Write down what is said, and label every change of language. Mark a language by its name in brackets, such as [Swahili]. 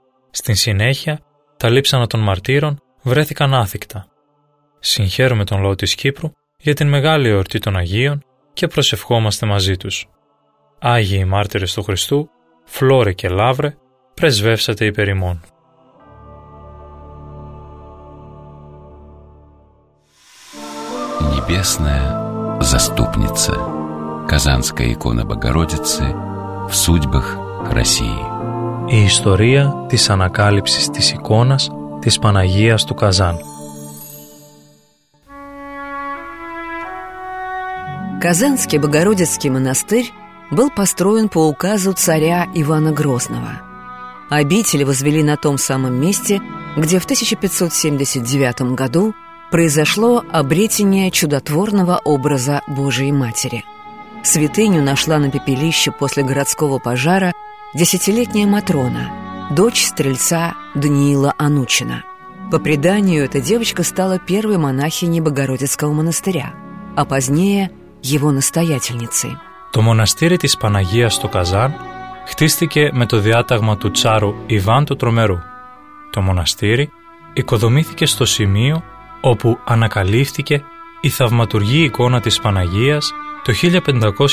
[Greek] Στην συνέχεια, τα λείψανα των μαρτύρων βρέθηκαν άθικτα. Συγχαίρουμε τον λαό της Κύπρου για την μεγάλη εορτή των Αγίων και προσευχόμαστε μαζί τους. Άγιοι μάρτυρες του Χριστού, Φλόρε και Λαύρε, πρεσβεύσατε υπέρ ημών. [Russian] Небесная заступница, Казанская икона Богородицы в судьбах России. [Greek] Η ιστορία της ανακάλυψης της εικόνας της Παναγίας του Καζάν. [Russian] Казанский Богородицкий монастырь был построен по указу царя Ивана Грозного. Обители возвели на том самом месте, где в 1579 году произошло обретение чудотворного образа Божией Матери. Святыню нашла на пепелище после городского пожара десятилетняя Матрона, дочь стрельца Даниила Анучина. По преданию, эта девочка стала первой монахиней Богородицкого монастыря, а позднее – его настоятельницей. [Greek] Το μοναστήρι της Παναγίας στο Καζάν χτίστηκε με το διάταγμα του τσάρου Ιβάν του Τρομερού. Το μοναστήρι οικοδομήθηκε στο σημείο όπου ανακαλύφθηκε η θαυματουργή εικόνα της Παναγίας το 1579.